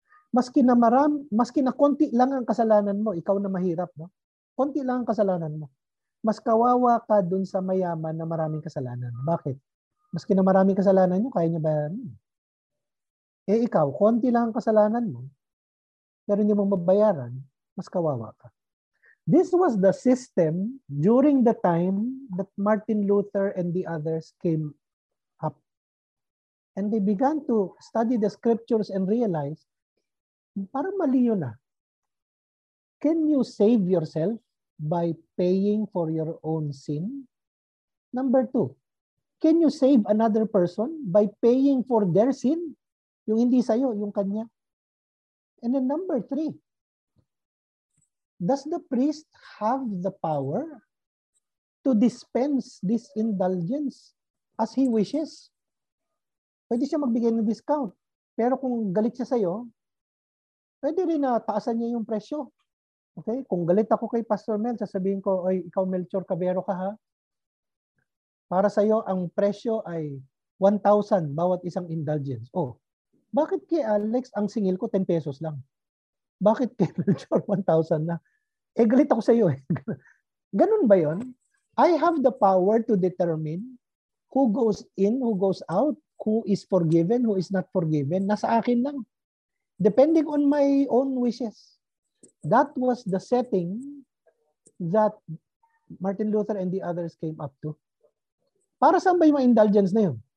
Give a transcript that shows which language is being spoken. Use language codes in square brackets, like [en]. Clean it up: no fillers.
[tl] Maski na maram, maski na konti lang ang kasalanan mo, ikaw na mahirap, no? Konti lang ang kasalanan mo. Mas kawawa ka dun sa mayaman na maraming kasalanan. Bakit? Maski na maraming kasalanan mo, kaya niya bayaran mo. Eh ikaw, konti lang ang kasalanan mo, pero hindi mo mabayaran, mas kawawa ka. [en] This was the system during the time that Martin Luther and the others came up. And they began to study the scriptures and realize [tl] parang mali yun ah. [en] Can you save yourself by paying for your own sin? Number two, can you save another person by paying for their sin? [tl] Yung hindi sa'yo, yung kanya. [en] And then number three, does the priest have the power to dispense this indulgence as he wishes? [tl] Pwede siya magbigay ng discount. Pero kung galit siya sa'yo, pwede rin na taasan niya yung presyo. Okay? Kung galit ako kay Pastor Mel, sasabihin ko, oy, ikaw Melchor Cabero ka ha. Para sa'yo, ang presyo ay 1,000 bawat isang indulgence. Oh, bakit kay Alex ang singil ko 10 pesos lang? Bakit kay Melchor 1,000 na? Eh, galit ako sa'yo eh. Ganun ba yon? [en] I have the power to determine who goes in, who goes out, who is forgiven, who is not forgiven. [tl] Nasa akin lang. [en] Depending on my own wishes. That was the setting that Martin Luther and the others came up to. [tl] Para saan ba yung mga indulgence na yun?